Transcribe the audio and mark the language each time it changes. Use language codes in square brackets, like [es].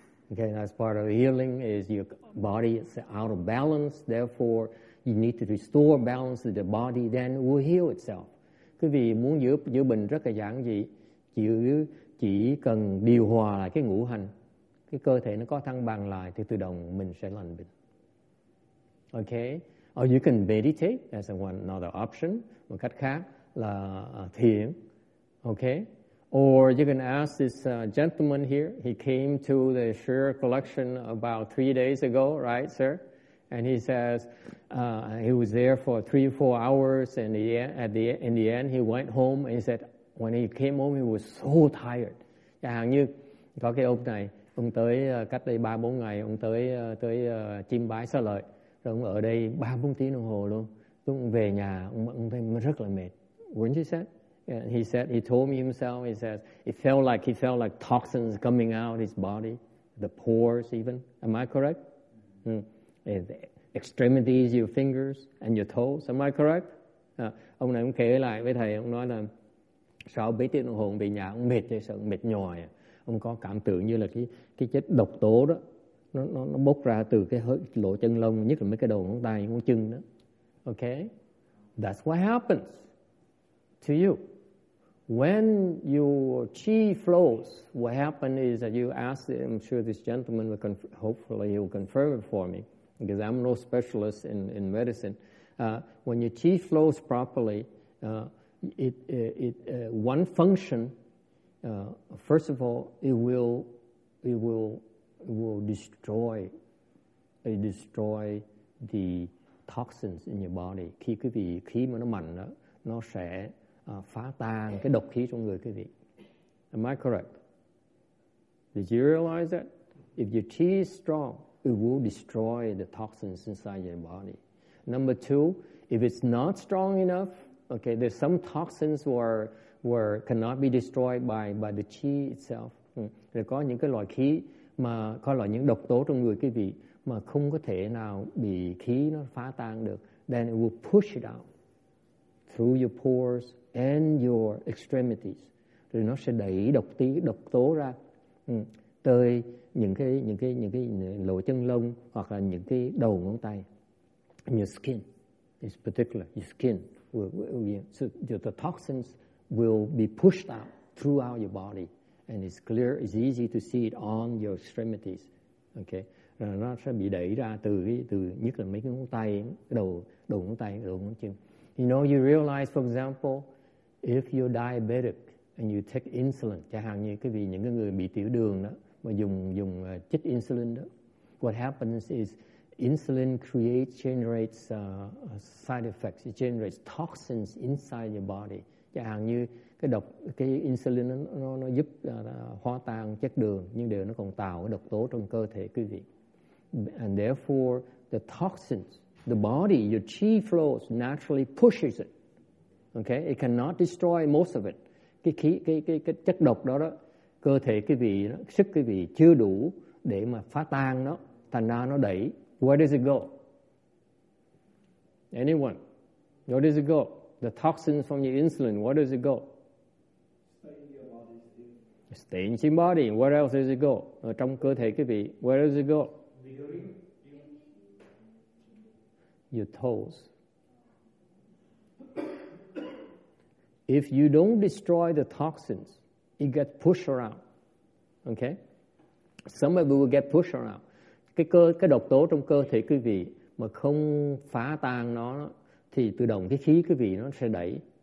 [en] Okay, that's part of healing is your body is out of balance, therefore you need to restore balance to the body, then it will heal itself. [vi] Quý vị muốn giữ bình rất là giản dị, chỉ cần điều hòa lại cái ngũ hành, cái cơ thể nó có thăng bằng lại thì tự động mình sẽ lành bệnh. [en] Okay, or you can meditate as another option. [vi] Một cách khác là thiền. [en] Okay, or you can ask this gentleman here. He came to the Shure collection about 3 days ago, right, sir? And he says he was there for 3 or 4 hours, and in the end he went home and he said when he came home he was so tired. [vi] Chẳng hạn như có cái ông này, ông tới cách đây 3-4 ngày, ông tới chim bái xá lợi, rồi ông ở đây 3-4 tiếng đồng hồ luôn. Lúc về nhà ông thấy rất là mệt. [en] Wouldn't you say? And he said he told me himself. He says he felt like toxins coming out his body, the pores even. Am I correct? Mm-hmm. The extremities, your fingers and your toes. Am I correct? [vi] Ông này ông kể lại với thầy, ông nói là sau 7 tiếng đồng hồ ông về nhà ông mệt chơi sợ, mệt nhòi. Ông có cảm tưởng như là cái chất độc tố đó nó bốc ra từ cái lỗ chân lông, nhất là mấy cái đầu ngón tay, ngón chân đó. [en] Okay, that's what happens to you when your chi flows. What happened is that you asked, I'm sure this gentleman will hopefully he will confirm it for me, because I'm no specialist in medicine. When your chi flows properly, it one function, first of all, it will destroy the toxins in your body. [vi] Khi quý vị khí mà nó mạnh đó, nó sẽ phá tan cái độc khí trong người quý vị. [en] Am I correct? Did you realize that? If your chi is strong, it will destroy the toxins inside your body. Number two, if it's not strong enough, okay, there's some toxins were cannot be destroyed by the chi itself. [vi] Rồi có những cái loại khí mà có loại những độc tố trong người quý vị mà không có thể nào bị khí nó phá tan được. [en] Then it will push it out through your pores and your extremities. [vi] Rồi nó sẽ đẩy độc tố ra. Tới những cái lỗ chân lông hoặc là những cái đầu ngón tay, [en] your skin, in particular your skin, so the toxins will be pushed out throughout your body, and it's clear, it's easy to see it on your extremities. [vi] Okay, rồi nó sẽ bị đẩy ra từ nhất là mấy cái ngón tay, đầu ngón tay, đầu ngón chân. [en] You know, you realize, for example, if you're diabetic and you take insulin, [vi] chẳng hạn như cái vì những cái người bị tiểu đường đó mà dùng chích insulin đó, [en] what happens is insulin generates side effects, it generates toxins inside your body. [vi] Chẳng hạn như cái độc cái insulin nó giúp hóa tan chất đường, nhưng điều nó còn tạo cái độc tố trong cơ thể quý vị. [en] And therefore the toxins, the body, your chi flows naturally pushes it. Okay, it cannot destroy most of it. [vi] Cái chất độc đó đó, cơ thể quý vị, sức quý vị chưa đủ để mà phá tan nó, thành ra nó đẩy. [en] Where does it go? Anyone? Where does it go? The toxins from your insulin, where does it go? Stay in your body. Stay in your body. Where else does it go? [vi] Ở trong cơ thể quý vị. [en] Where does it go? Your toes. If you don't destroy the toxins, it gets pushed around. Okay? Some of it will get pushed around. [vi] Cái độc tố trong cơ thể quý vị mà không phá tan nó thì tự động cái khí quý vị nó sẽ đẩy.